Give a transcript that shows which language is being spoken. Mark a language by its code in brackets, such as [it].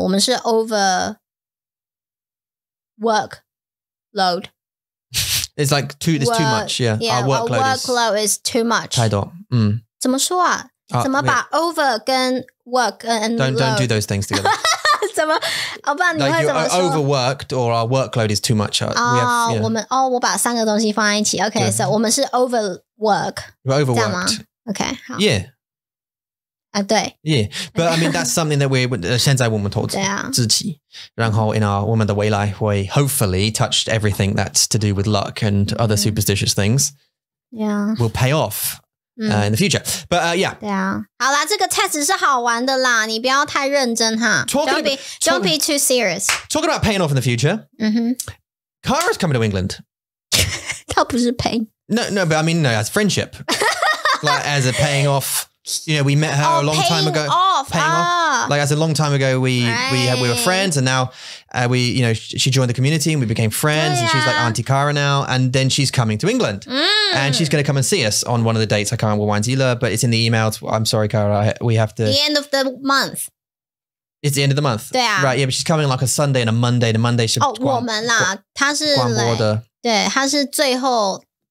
[zh] 我们是 [en] over workload. It's like too much, yeah. Yeah, our workload is too much. [zh] 太多。怎么说啊?怎么把 [en] over [zh] 跟 [en] work and load? Don't do those things together. [zh] 怎么？不然你会怎么说？ [en] Like you're overworked or our workload is too much. [zh] 我们哦，我把三个东西放在一起。 [en] Okay, so [zh] 我们是 [en] overwork. We're overworked. Okay, [zh] 好。 [en] Yeah. [zh] 啊，对。 [en] Yeah, but I mean that's something that we're [zh] 现在我们投资自己，然后 [en] in our [zh] 我们的未来会 [en] hopefully touch everything that's to do with luck and other superstitious things. Yeah, will pay off. In the future. But yeah. [zh] 对啊。好啦，这个 test 是好玩的啦，你不要太认真哈。 [en] Don't be too serious. Talking about paying off in the future. Mm-hmm. Kara's coming to England. [zh] 她不是 [en] paying. No, but I mean, no, as friendship. Like as a paying off. You know, we met her a long time ago. Paying off. Like as a long time ago, we were friends and now we, you know, she joined the community and we became friends and she's like Auntie Kara now. And then she's coming to England. And she's going to come and see us on one of the dates. I can't remember when, but it's in the emails. I'm sorry, Kara. We have to. The end of the month. It's the end of the month. Yeah. Right. Yeah. But she's coming like a Sunday and a Monday. The Monday. [zh] Oh, 我们啦，她是对，她是最后。